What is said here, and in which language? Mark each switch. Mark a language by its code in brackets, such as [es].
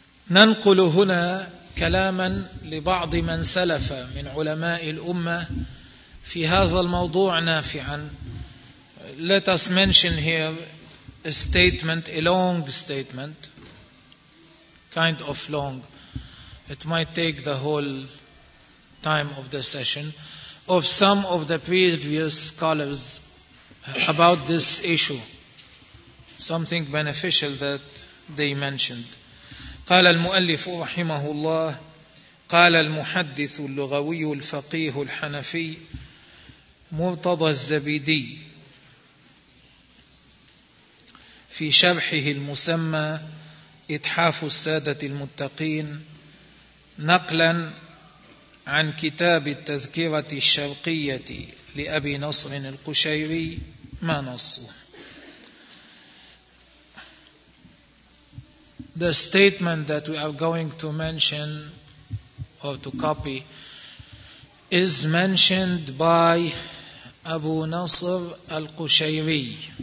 [ar] ننقل هنا كلاما لبعض من سلف من علماء الأمة في هذا الموضوع نافعا. [en] Let us mention here a long statement, kind of long. It might take the whole time of the session of some of the previous scholars about this issue. Something beneficial that they mentioned. [ar] قال المؤلف رحمه الله قال المحدث اللغوي الفقيه الحنفي مرتضى الزبيدي في شرحه المسمى إتحاف السادة المتقين نقلا عن كتاب التذكرة الشرقية لأبي نصر القشيري ما نصه. [en] The statement that we are going to mention or to copy is mentioned by Abu Nasr al-Qushayri.